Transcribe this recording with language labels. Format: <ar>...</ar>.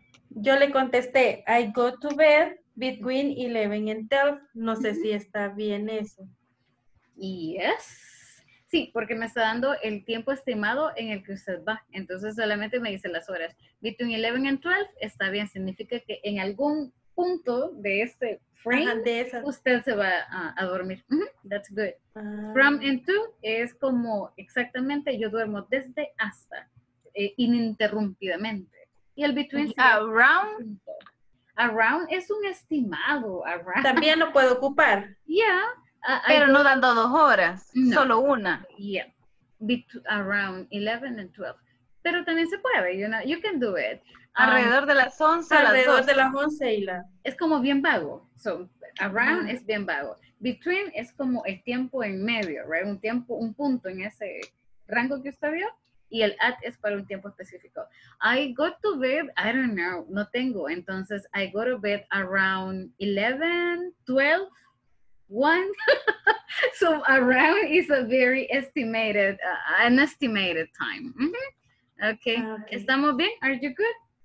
<es>Yo le contesté,</es> <en>I go to bed between 11 and 12.</en> <es>No sé si está bien eso.</es> <en>Yes.</en> <es>Sí, porque me está dando el tiempo estimado en el que usted va. Entonces, solamente me dice las horas.</es> <en>Between 11 and 12</en> <es>está bien. Significa que en algún punto de este frame, usted se va a dormir. Mm-hmm.</es> <en>That's good.</en> <es>From and to es como exactamente yo duermo desde hasta, ininterrumpidamente. Y el between...</es> <en>Around.</en> <es>Around es un estimado. Around. También lo puedo ocupar.</es> <en>Yeah.</en> <es>Pero no dando 2 horas, no. Solo una.</es> <en>Yeah, around 11 and 12.</en> <es>Pero también se puede,</es> <en>you know, you can do it.</en> <es>Alrededor de las 11, alrededor de las 11 y la... Es como bien vago. So, around es bien vago. Between es como el tiempo en medio, right? Un tiempo, un punto en ese rango que usted vio. Y el at es para un tiempo específico.</es> <en>I go to bed, I don't know,</en> <es>no tengo.</es> <en>Entonces, I go to bed around 11, 12. One, so around is a very estimated, an estimated time. Mm-hmm. Okay. Okay,</en> <es>estamos bien?</es> <en>Are you good?</en>